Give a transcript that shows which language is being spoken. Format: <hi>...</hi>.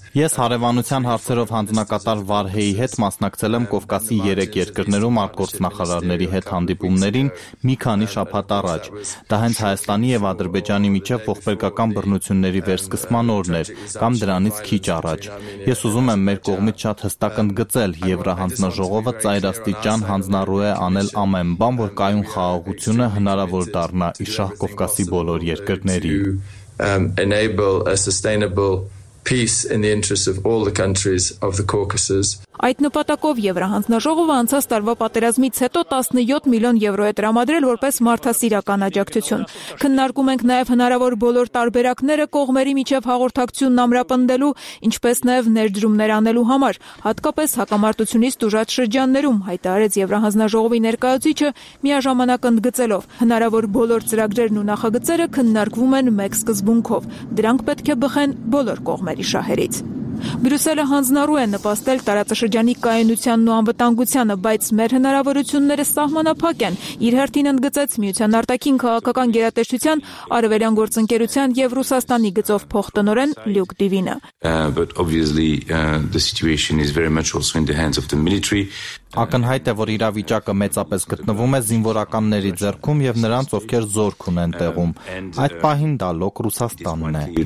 <hy>Ես հարևանության հարցերով հանձնակատար Վարհեի հետ մասնակցել եմ Կովկասի 3 երկրներում արտգործնախարարների հետ հանդիպումներին մի քանի շաբաթ առաջ։ Դա հենց Հայաստանի եւ Ադրբեջանի միջև ողբերգական բռնությունների վերսկսման օրն էր, կամ դրանից քիչ առաջ։ Ես ուզում եմ մեր կողմից շատ հստակ ընդգծել, Եվրահանձնաժողովը ծայրաստիճան հանձնարարու է անել ամեն բան, որ կայուն խաղաղությունը հնարավոր դառնա իշխան Կովկասի բոլոր երկրների։</hy> <en>Enable a sustainable peace in the interests of all the countries of the Caucasus.</en> <hy>Այդ նպատակով Եվրահանձնաժողովը անցած տարվա պատերազմից հետո 17 միլիոն եվրո է տրամադրել որպես մարդասիրական աջակցություն։ Քննարկում ենք նաև հնարավոր բոլոր տարբերակները կողմերի միջև հաղորդակցությունն ամրապնդելու, ինչպես նաև ներդրումներ անելու համար, հատկապես հակամարտությունից տուժած շրջաններում, հայտարարեց Եվրահանձնաժողովի ներկայացուցիչը միաժամանակ ընդգծելով. Հնարավոր բոլոր ծրագրերն ու նախագծերը քննարկվում են մեկ սկզբունքով. Դրանք պետք է բխեն բոլոր կողմերի շահերից։ Բրյուսելը հանձնարարու է նպաստել տարածաշրջանի կայունությանն ու անվտանգությանը, բայց մեր հնարավորությունները սահմանափակ են, իր հերթին ընդգծեց միության արտաքին քաղաքական գերատեսչության Արևելյան գործընկերության և Ռուսաստանի գծով փոխտնօրեն Լյուկ Դիվինը։</hy> <en>But obviously the situation is very much also in the hands of the military.</en> <hy>Ակնհայտ է, որ իրավիճակը մեծապես գտնվում է զինվորականների ձեռքում և նրանց, ովքեր զորք ունեն տեղում։ Այդ պահին դա լոկ Ռուսաստանն է։</hy>